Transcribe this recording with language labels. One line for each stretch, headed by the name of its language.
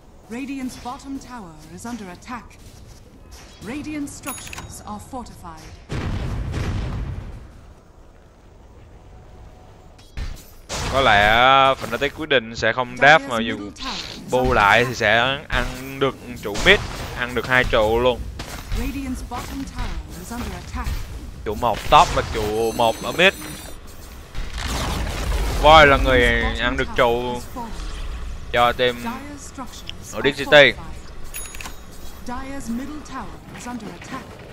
English: Radiant's bottom tower is under attack. Radiant's structures are fortified.
Vietnamese: Có lẽ Fnatic quyết định sẽ không def mà dù bù lại thì sẽ ăn được trụ mid, ăn được hai trụ luôn.
English: Radiant's bottom tower is under attack.
Vietnamese: Trụ một top và trụ một ở mid. Voi là người ăn được trụ cho team Nordic City.
English: Dire's middle tower is under attack.